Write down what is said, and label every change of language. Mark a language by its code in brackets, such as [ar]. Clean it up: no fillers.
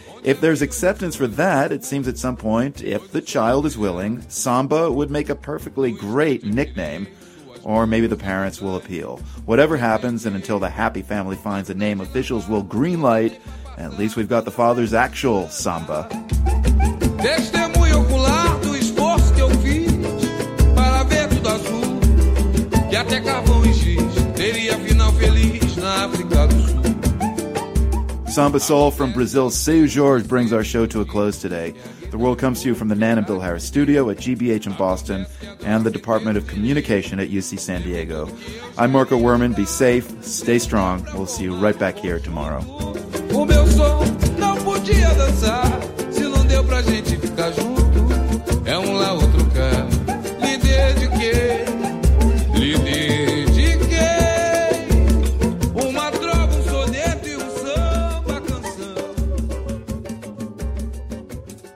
[en] If there's acceptance for that, it seems at some point, if the child is willing, Samba would make a perfectly great nickname. Or maybe the parents will appeal. Whatever happens, and until the happy family finds a name, officials will green light. At least we've got the father's actual Samba. [pt] Testemunho ocular do esforço que eu fiz para ver tudo azul. E até carvão e giz teria final feliz na África do Sul. [en] Samba Soul from Brazil's Seu Jorge brings our show to a close today. The World comes to you from the Nan and Bill Harris Studio at GBH in Boston and the Department of Communication at UC San Diego. I'm Marco Werman. Be safe. Stay strong. We'll see you right back here tomorrow. [pt] O meu som não podia dançar se não deu pra gente ficar junto. É um lá outro cá. Lhe dediquei. Lhe dediquei. Uma trova, soneto e samba canção.